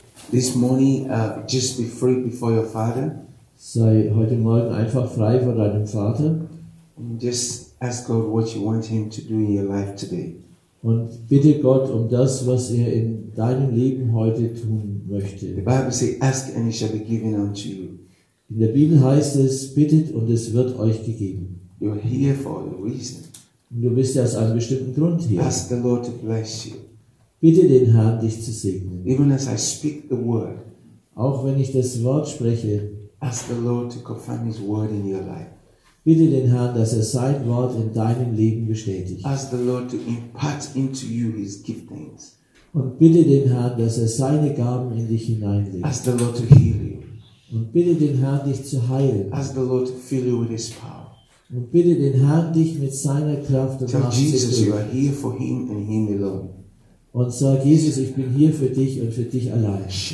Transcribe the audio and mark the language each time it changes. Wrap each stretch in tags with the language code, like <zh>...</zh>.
<en>This morning, just be free before your Father.</en> <de>Sei heute Morgen einfach frei vor deinem Vater.</de> <en>And just ask God what you want Him to do in your life today.</en> <de>Und bitte Gott um das, was er in deinem Leben heute tun möchte.</de> <en>The Bible says, "Ask and it shall be given unto you."</en> <de>In der Bibel heißt es, bittet und es wird euch gegeben.</de> <en>You are here for a reason.</en> <de>Und du bist ja aus einem bestimmten Grund hier.</de> <en>Ask the Lord to bless you.</en> <de>Bitte den Herrn, dich zu segnen.</de> <en>Even as I speak the word,</en> <de>auch wenn ich das Wort spreche,</de> <en>ask the Lord to confirm His word in your life.</en> <de>Bitte den Herrn, dass er sein Wort in deinem Leben bestätigt.</de> <en>Ask the Lord to impart into you His giftings.</en> <de>Und bitte den Herrn, dass er seine Gaben in dich hineinlegt.</de> <en>Ask the Lord to heal you.</en> <de>Und bitte den Herrn, dich zu heilen.</de> <en>Ask the Lord to fill you with His power.</en> <de>Und bitte den Herrn, dich mit seiner Kraft und Macht zu füllen.</de> <en>Tell Jesus, you are here for Him and Him alone.</en> <de>Und sag, Jesus, ich bin hier für dich und für dich allein.</de>